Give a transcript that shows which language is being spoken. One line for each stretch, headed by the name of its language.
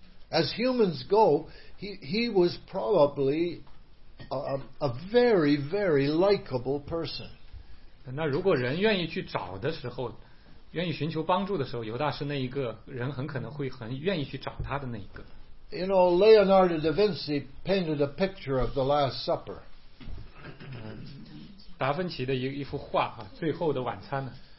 English: As humans go, he was probably a very very likable person.
Chinese: 那如果人愿意去找的时候，愿意寻求帮助的时候，犹大是那一个人很可能会很愿意去找他的那一个。
English: You know, Leonardo da Vinci painted a picture of the Last Supper.
Chinese: 达芬奇的一幅画啊，最后的晚餐呢。